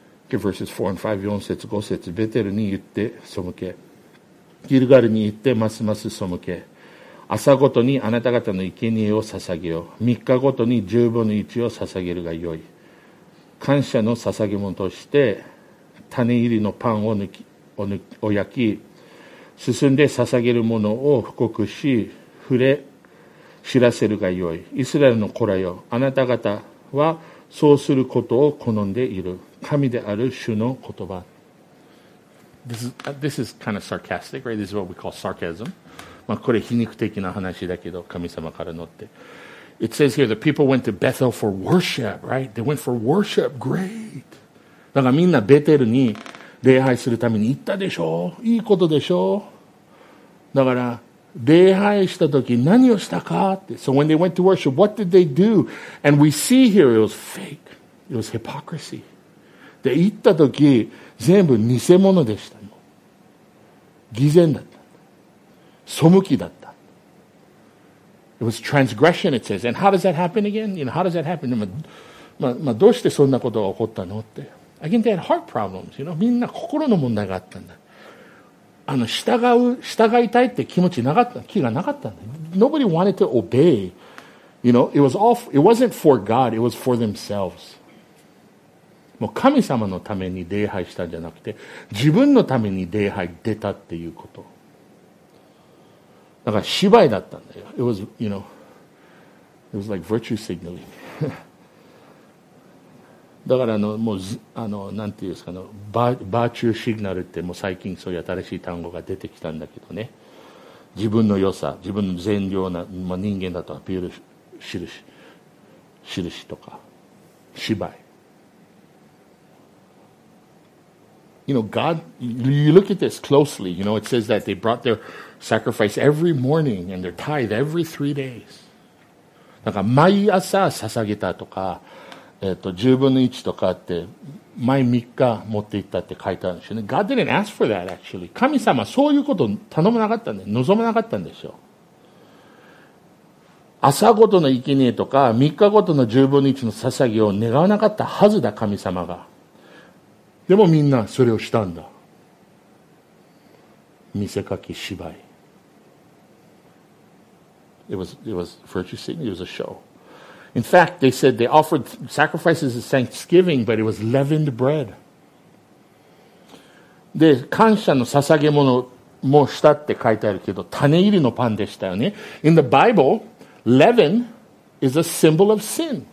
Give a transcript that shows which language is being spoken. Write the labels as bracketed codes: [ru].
[en] Verses 4 and 5、 [ja] 4節5節、ベテルに言って背け、ギルガルに行ってますます背け、朝ごとにあなた方の生贄を捧げよ、三日ごとに十分の一を捧げるがよい、感謝の捧げ物として種入りのパンを抜き、お焼き、進んで捧げるものを布告し、触れ知らせるがよい。イスラエルの子らよ、あなた方はそうすることを好んでいる。神である主の言葉。 [en] This is kind of sarcastic, right? This is what we call sarcasm. [ja] まあこれ皮肉的な話だけど、神様からのって。 [en] It says here the people went to Bethel for worship, right? They went for worship. Great. [ja] だからみんなベテルに礼拝するために行ったでしょう。いいことでしょう。だから礼拝したとき何をしたかって。 [en] So when they went to worship, what did they do? And we see here it was fake. It was hypocrisy. [ja] で行ったとき全部偽物でした。偽善だった。背きだった。 [en] It was transgression, it says. And how does that happen again? You know, how does that happen? [ja] まあ、どうしてそんなことが起こったのって。 Again, they had heart problems, you know? みんな心の問題があったんだ。従いたいって気持ちなかった、気がなかったんだ。 [en] Nobody wanted to obey. You know, it wasn't for God, it was for themselves. [ja] もう神様のために礼拝したんじゃなくて、自分のために礼拝出たっていうこと。だから芝居だったんだよ。 [en] It was, you know, it was like virtue signaling. [ja] だからもう、なんていうんですかね、バーチューシグナルって、もう最近そういう新しい単語が出てきたんだけどね。自分の良さ、自分の善良な、まあ、人間だとアピール印とか、芝居。 [en] You know, God, you look at this closely, you know, it says that they brought their sacrifice every morning and their tithe every 3 days. [ja] だから毎朝捧げたとか、十分の一とかって、毎3日持って行ったって書いてあるんですよね。 [en] God didn't ask for that, actually. [ja] 神様はそういうこと頼まなかったんで、望まなかったんでしょう。朝ごとの生贄とか、3日ごとの十分の一の捧げを願わなかったはずだ、神様が。でもみんなそれをしたんだ。見せかけ芝居。 [en] It was virtue signaling. It was a show. In fact, they said they offered sacrifices of thanksgiving, but it was leavened bread. [ja] で、感謝の捧げ物もしたって書いてあるけど、種入りのパンでしたよね。 [en] In the Bible, leaven is a symbol of sin.